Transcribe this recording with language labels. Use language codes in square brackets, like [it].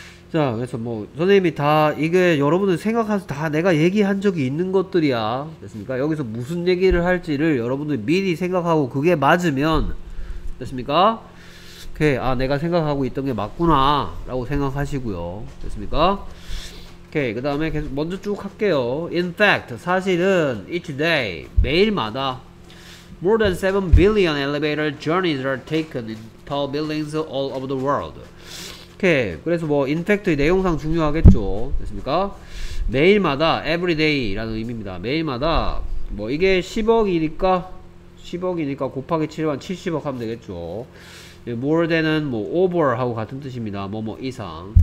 [ko] 자, 그래서 뭐 선생님이 다 이게 여러분들 생각해서 다 내가 얘기한 적이 있는 것들이야. 됐습니까? 여기서 무슨 얘기를 할지를 여러분들이 미리 생각하고 그게 맞으면 됐습니까? 오케이. 아, 내가 생각하고 있던 게 맞구나 라고 생각하시고요. 됐습니까? 오케이. 그 다음에 계속 먼저 쭉 할게요. [en] In fact, [ko] 사실은 [en] each day, [ko] 매일마다 [en] more than 7 billion elevator journeys are taken in tall buildings all over the world. [ko] 오케이. 그래서 뭐 인팩트의 내용상 중요하겠죠. 됐습니까? 매일마다 everyday라는 의미입니다. 매일마다 뭐 이게 10억이니까 10억이니까 곱하기 7만 70억 하면 되겠죠. more than은 뭐 over 하고 같은 뜻입니다. 뭐뭐 이상.